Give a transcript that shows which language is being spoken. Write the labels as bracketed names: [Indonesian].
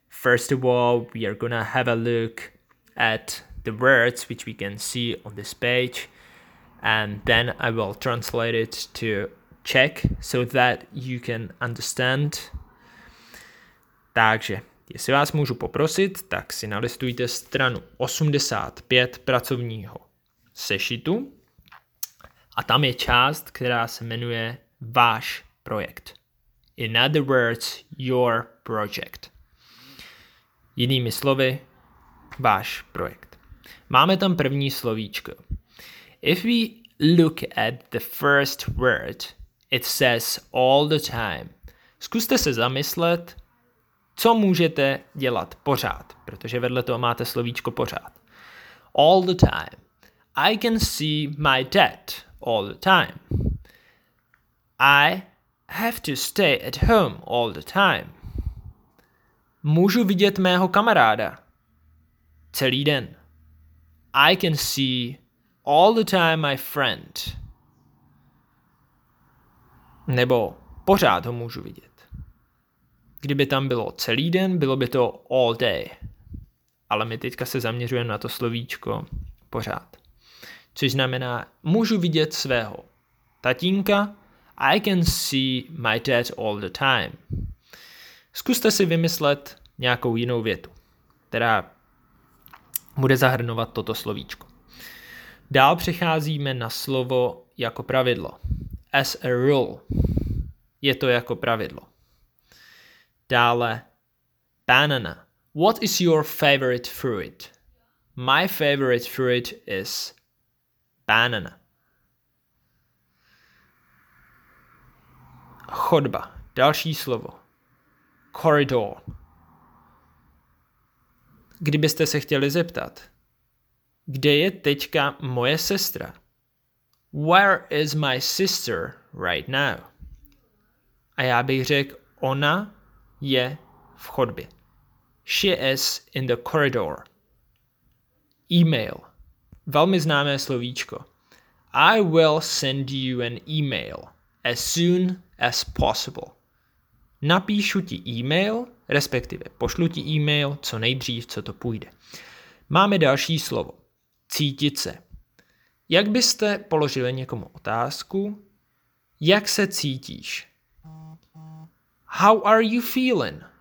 [English] First of all, we are gonna have a look at the words which we can see on this page, and then I will translate it to Czech so that you can understand. [Czech] Takže, jestli vás můžu poprosit, tak si nalistujte stranu 85 pracovního sešitu. A tam je část, která se jmenuje váš projekt. [English] In other words, your project. [Czech] Jinými slovy, váš projekt. Máme tam první slovíčko. [English] If we look at the first word, it says all the time. [Czech] Zkuste se zamyslet, co můžete dělat pořád, protože vedle toho máte slovíčko pořád. [English] All the time. I can see my dad all the time. I have to stay at home all the time. [Czech] Můžu vidět mého kamaráda celý den. [English] I can see all the time my friend. [Czech] Nebo pořád ho můžu vidět. Kdyby tam bylo celý den, bylo by to [English] all day. [Czech] Ale my teďka se zaměřujeme na to slovíčko pořád. Což znamená, můžu vidět svého tatínka. [English] I can see my dad all the time. [Czech] Zkuste si vymyslet nějakou jinou větu, která bude zahrnovat toto slovíčko. Dál přecházíme na slovo jako pravidlo. [English] As a rule. [Czech] Je to jako pravidlo. Dále, banana. [English] What is your favorite fruit? My favorite fruit is banana. [Czech] Chodba. Další slovo. Corridor. Kdybyste se chtěli zeptat, kde je teďka moje sestra? [English] Where is my sister right now? [Czech] A já bych řekl, ona je v chodbě. [English] She is in the corridor. Email. [Czech] Velmi známé slovíčko. [English] I will send you an email as soon as possible. [Czech] Napíšu ti email, respektive pošlu ti email, co nejdřív, co to půjde. Máme další slovo. Cítit se. Jak byste položili někomu otázku? Jak se cítíš? [English] How are you feeling?